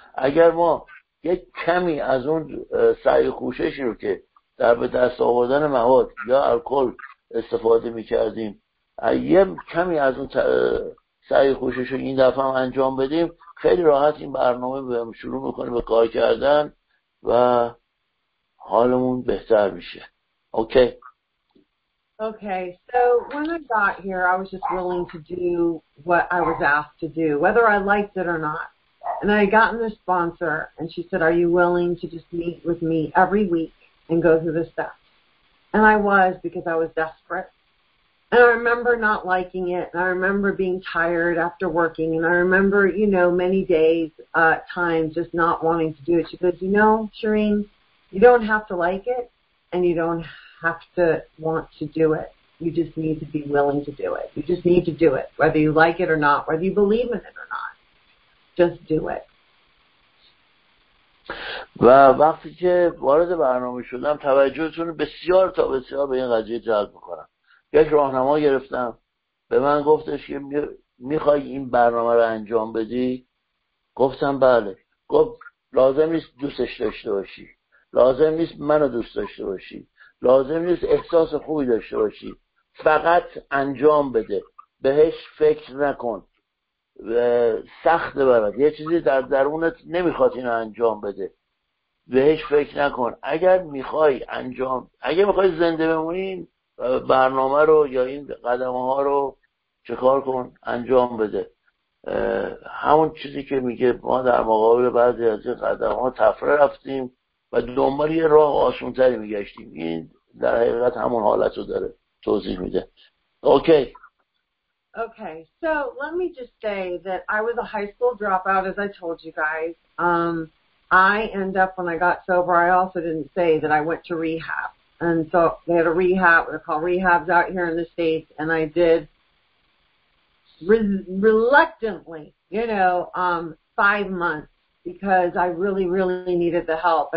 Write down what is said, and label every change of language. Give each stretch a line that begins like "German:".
Persian: اگر ما یک کمی از اون سعی و کوششی رو که در به دست آوردن مواد یا الکل استفاده میکردیم، یه کمی از اون سعی و کوشش رو این دفعه هم انجام بدیم، خیلی راحت این برنامه شروع میکنه به کار کردن و حالمون بهتر میشه. اوکی.
English: Okay, so when I got here, I was just willing to do what I was asked to do, whether I liked it or not. And I had gotten a sponsor, and she said, are you willing to just meet with me every week and go through the steps? And I was, because I was desperate. And I remember not liking it, and I remember being tired after working, and I remember, you know, many days at times just not wanting to do it. She goes, you know, Shireen, you don't have to like it, and you don't have to want to do it. You just need to be willing to do it. You just need to do it, whether you like it or not, whether you believe in it or not. Just do it.
Persian: و وقتی که وارد برنامه شدم توجهتون بسیار تا بسیار به این قضیه جلب می‌کنم. یک راهنما گرفتم، به من گفتش که می‌خوای این برنامه رو انجام بدی؟ گفتم بله. گفت لازم نیست دوستش داشته باشی، لازم نیست منو دوست داشته باشی، لازم نیست احساس خوبی داشته باشی، فقط انجام بده، بهش فکر نکن، سخت برات، یه چیزی در درونت نمیخواد اینو انجام بده، بهش فکر نکن. اگر میخوای انجام، اگر میخوای زنده بمونی، برنامه رو یا این قدمه ها رو چکار کن، انجام بده. همون چیزی که میگه ما در مقابل بعضی از این قدمه ها تفره رفتیم و دنبال یه راه آسان تری میگشتیم، این در حقیقت همون حالت رو داره توضیح میده. اوکی.
English: Okay, so let me just say that I was a high school dropout, as I told you guys. I end up, when I got sober, I also didn't say that I went to rehab. And so they had a rehab, they call rehabs out here in the States, and I did reluctantly, you know, 5 months, because I really, really needed the help.